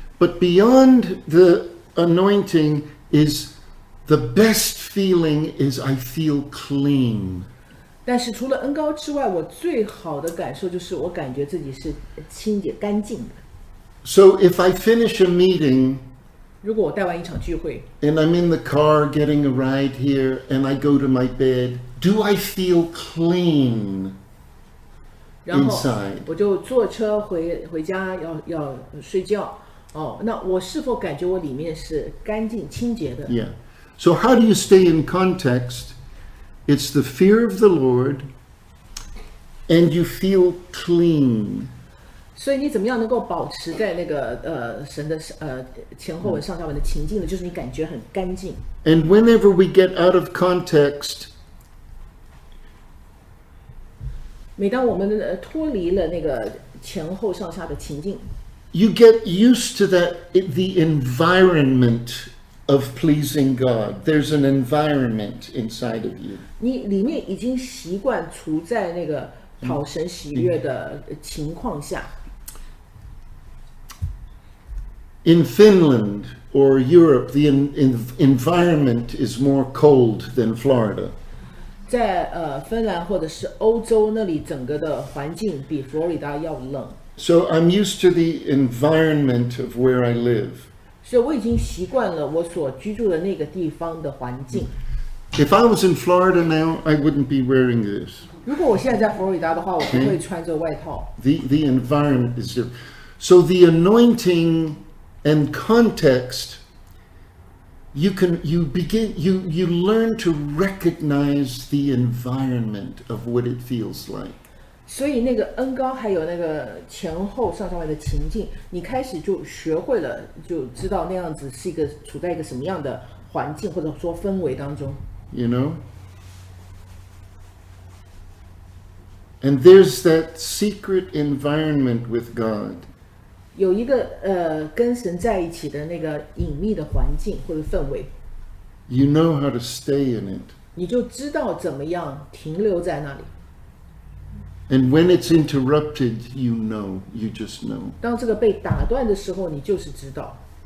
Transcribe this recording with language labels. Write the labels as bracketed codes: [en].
[en] But beyond the anointing is the best feeling is I feel clean. [zh] 但是除了恩膏之外，我最好的感受就是我感觉自己是清洁干净的。 [en] So if I finish a meeting, [zh] 如果我带完一场聚会 [en] ，and I'm in the car getting a ride here, and I go to my bed, do I feel clean? [zh] 然后我就坐车 回家 要睡觉、哦、那我是否感觉我里面是干净清洁的 [en] Yeah. So how do you stay in context? It's the fear of the Lord and you feel clean. [zh] 所以你怎么样能够保持在那个、神的、前后文上下文的情境呢、就是你感觉很干净。 [en] And whenever we get out of context, [zh] 每当我们脱离了那个前后上下的情境 [en] ，You get used to that the environment of pleasing God. There's an environment inside of you. [zh] 你里面已经习惯处在那个讨神喜悦的情况下。 [en] In Finland or Europe, the environment is more cold than Florida. [zh] 在、芬兰或者是欧洲那里整个的环境比佛罗里达要冷 [en] So I'm used to the environment of where I live [zh] 所以我已经习惯了我所居住的那个地方的环境 [en] If I was in Florida now, I wouldn't be wearing this [zh] 如果我现在在佛罗里达的话我不会穿这外套 [en] The environment is different So the anointing and contextYou learn to recognize the environment of what it feels like. [zh] 所以那个恩膏还有那个前后上下文的情境，你开始就学会了，就知道那样子是一个处在一个什么样的环境或者说氛围当中。 [en] You know? And there's that secret environment with God. [zh] 有一个、跟神在一起的那个隐秘的环境或者氛围 [en] You know how to stay in it [zh] 你就知道怎么样停留在那里 [en] And when it's interrupted, you know, you just know [zh] 当这个被打断的时候你就是知道